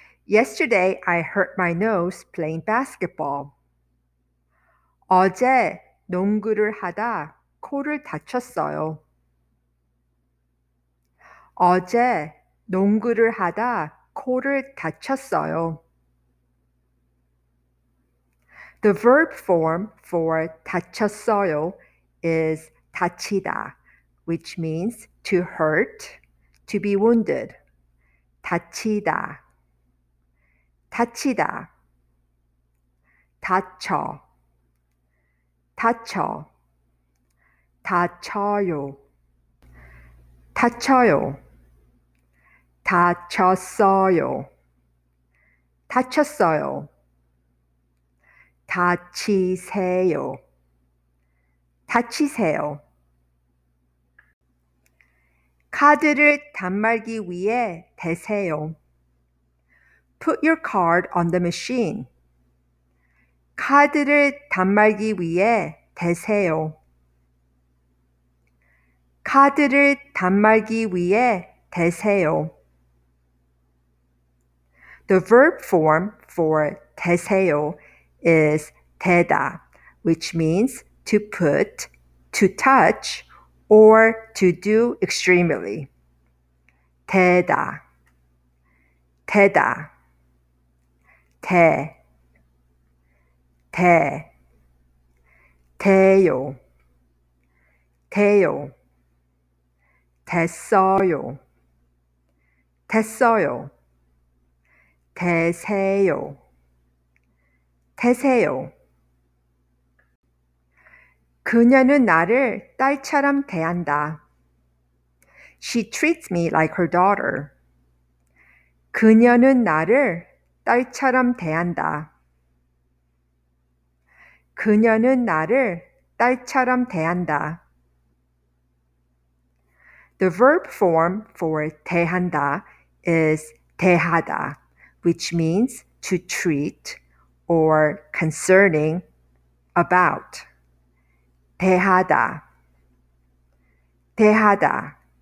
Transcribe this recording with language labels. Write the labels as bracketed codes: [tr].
[en] Yesterday, I hurt my nose playing basketball. [ko] 어제 농구를 하다 코를 다쳤어요. 어제 농구를 하다 코를 다쳤어요. [en] The verb form for 다쳤어요 is 다치다, which means to hurt, to be wounded. [ko] 다치다, 다치다. 다쳐, 다쳐. 다쳐요, 다쳐요. 다쳤어요, 다쳤어요. 다치세요, 다치세요. 카드를 단말기 위에 대세요. [en] Put your card on the machine. [ko] 카드를 단말기 위에 대세요. 카드를 단말기 위에 대세요. [en] The verb form for 대세요 is 대다, which means to put, to touch, or to do extremely. [ko] 대다, 대다. 대, 대. 대요, 대요. 됐어요, 됐어요. 되세요, 되세요. 그녀는 나를 딸처럼 대한다. [en] She treats me like her daughter. [ko] 그녀는 나를 딸처럼 대한다. 그녀는 나를 딸처럼 대한다. [en] The verb form for 대한다 is 대하다, which means to treat or concerning about. [ko] 대하다, 대하다.